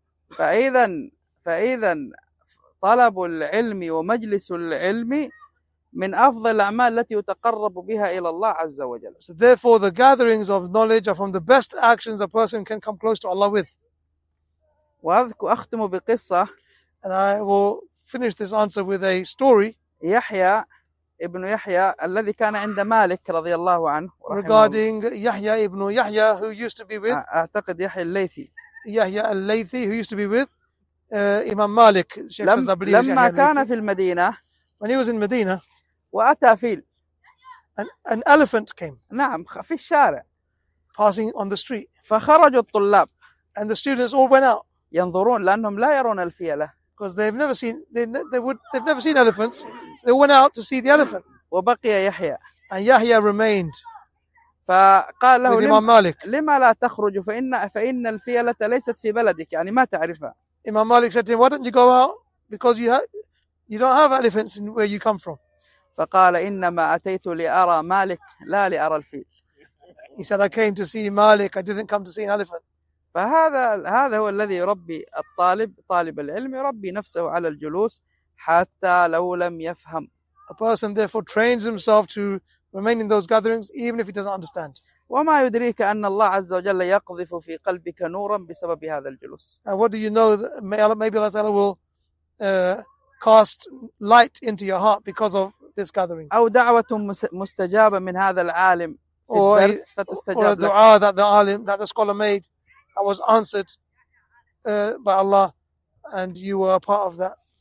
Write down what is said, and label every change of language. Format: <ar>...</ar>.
<ar>فإذا طلب العلم ومجلس العلم من أفضل الأعمال التي يتقرب بها إلى الله عز وجل.</ar> <en>So therefore the gatherings of knowledge are from the best actions a person can come close to Allah with.</en> <ar>وأختم بقصة.</ar> <en>And I will finish this answer with a story.</en> <ar>يحيى ابن يحيى الذي كان عند مالك رضي الله عنه.</ar> <en>Regarding يحيى ابن يحيى who used to be with.</en> <ar>أعتقد يحيى الليثي.</ar> <en>يحيى الليثي who used to be with. إمام مالك</en> <ar>لما كان في المدينة.</ar> <en>When he was in Medina.</en> <ar>وأتى فيل.</ar> <en>An elephant came.</en> <ar>نعم في الشارع.</ar> <en>Passing on the street.</en> <ar>فخرج الطلاب.</ar> <en>And the students all went out.</en> <ar>ينظرون لأنهم لا يرون الفيلة.</ar> <en>Because they've never seen elephants. So they went out to see the elephant.</en> <ar>وبقي يحيى.</ar> <en>And Yahya remained.</en> <ar>فقال له</ar> <en>with Imam Malik.</en> <ar>لما لا تخرج فإن الفيلة ليست في بلدك يعني ما تعرفها.</ar> <en>Imam Malik said to him, why don't you go out? Because you don't have elephants in where you come from.</en> <ar>فقال إنما أتيت لأرى مالك لا لأرى الفيل.</ar> <en>He said, I came to see Malik. I didn't come to see an elephant.</en> <ar>فهذا هو الذي يربي الطالب, طالب العلم يربي نفسه على الجلوس حتى لو لم يفهم.</ar> <en>A person therefore trains himself to remain in those gatherings even if he doesn't understand.</en> <ar>وما يدريك أن الله عز وجل يقذف في قلبك نورا بسبب هذا الجلوس.</ar> <en>And what do you know that maybe Allah Ta'ala will cast light into your heart because of this gathering.</en> <ar>أو دعوة مستجابة من هذا العالم. الدرس فتستجاب</ar> <en>دعاء that the alim, that the scholar made, that was answered by Allah, and you were a part of that.</en>